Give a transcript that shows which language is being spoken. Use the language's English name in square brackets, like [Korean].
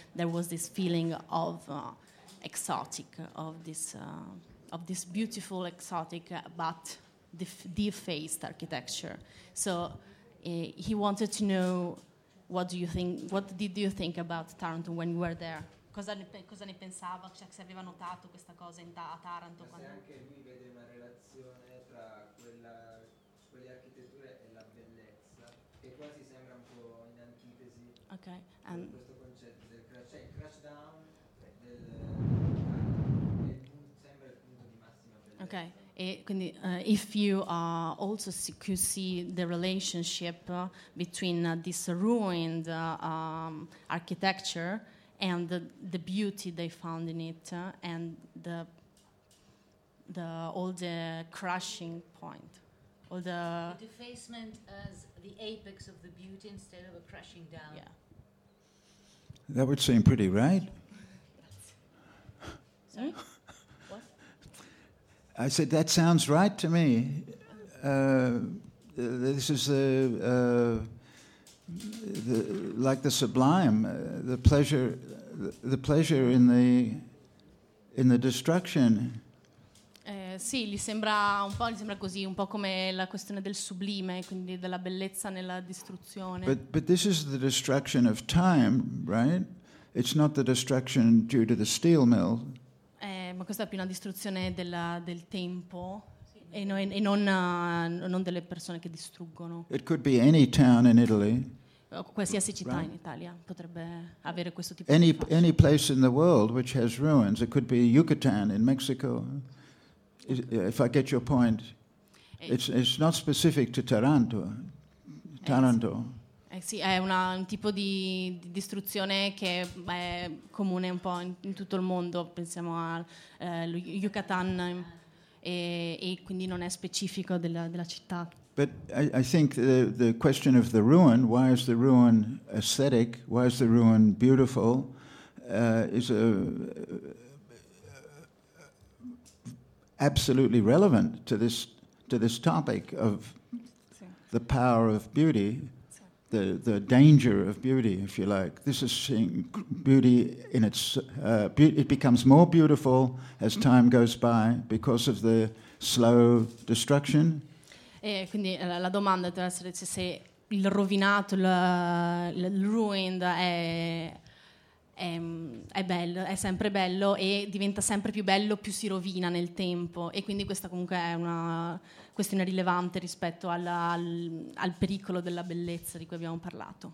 [English] There was this feeling of exotic, of this beautiful exotic, but defaced architecture. So he wanted to know. What do you think? What did you think about Taranto when you were there? [Italian] Cosa ne pensava? Cioè, se aveva notato questa cosa a Taranto? Se anche lui vede una relazione tra quelle architetture e la bellezza, che quasi sembra un po' in antitesi. Okay. Questo concetto del [English] crash down [Italian] del sembra il punto di massima bellezza. Okay. [English] Quindi, if you also could see the relationship between this ruined architecture and the beauty they found in it, and the all the crushing point, all the defacement as the apex of the beauty instead of a crushing down. Yeah, that would seem pretty right. Sorry. I said, that sounds right to me. This is like the sublime, the pleasure in the destruction. [Italian] Sì, gli sembra un po', così, un po' come la questione del sublime, quindi della bellezza nella distruzione. [English] But this is the destruction of time, right? It's not the destruction due to the steel mill. [Italian] Ma questa è più una distruzione del tempo, sì. e non delle persone che distruggono. [English] It could be any town in Italy. [Italian] Qualsiasi città, right? In Italia potrebbe avere questo tipo [English] any, [Italian] di fascia. [English] Any place in the world which has ruins. It could be Yucatan in Mexico. Okay. If I get your point, it's not specific to Taranto. Taranto. [Italian] Sì, è un tipo di distruzione che è comune un po' in tutto il mondo. Pensiamo al Yucatan, e quindi non è specifico della città. [English] But I think the question of the ruin, why is the ruin aesthetic, why is the ruin beautiful, is absolutely relevant to this topic of the power of beauty. The danger of beauty, if you like. This is seeing beauty in its it becomes more beautiful as time goes by because of the slow destruction. [Italian] E quindi la domanda deve essere se il rovinato, il ruined è bello, è sempre bello e diventa sempre più bello più si rovina nel tempo, e quindi questa comunque è una questione rilevante rispetto al pericolo della bellezza di cui abbiamo parlato.